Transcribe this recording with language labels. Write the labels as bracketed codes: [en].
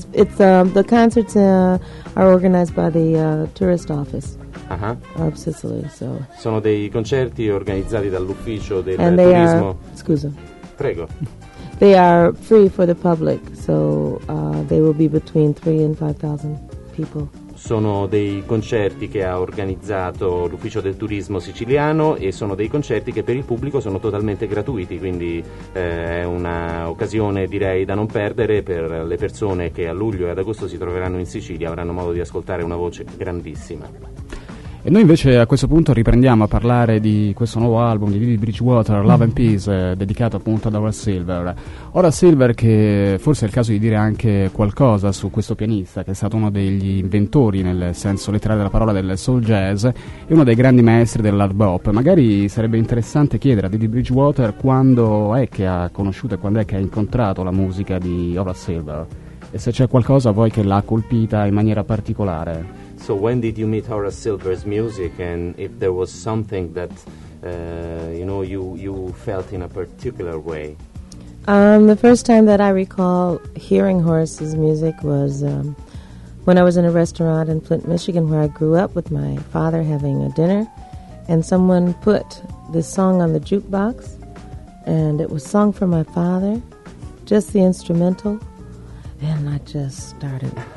[en] The concerts are organized by the tourist office. Uh-huh. Of Sicily, so. [it] Sono dei concerti organizzati dall'ufficio del turismo. Prego. [en] They are free for the public, so they will be between 3,000 and 5,000 people. [it] Sono dei concerti che ha organizzato l'ufficio del turismo siciliano e sono dei concerti che per il pubblico sono totalmente gratuiti, quindi è un'occasione, direi, da non perdere per le persone che a luglio e ad agosto si troveranno in Sicilia, avranno modo di ascoltare una voce grandissima. E noi invece a questo punto riprendiamo a parlare di questo nuovo album di Didi Bridgewater, Love and Peace, dedicato appunto ad Horace Silver. Horace Silver, che forse è il caso di dire anche qualcosa su questo pianista, che è stato uno degli inventori, nel senso letterale della parola, del soul jazz e uno dei grandi maestri dell'hard bop. Magari sarebbe interessante chiedere a Didi Bridgewater quando è che ha conosciuto e quando è che ha incontrato la musica di Horace Silver, e se c'è qualcosa poi che l'ha colpita in maniera particolare. [en] So when did you meet Horace Silver's music, and if there was something that you know, you felt in a particular way? The first time that I recall hearing Horace's music was when I was in a restaurant in Flint, Michigan, where I grew up, with my father having a dinner, and someone put this song on the jukebox, and it was Song for My Father, just the instrumental, and I just started.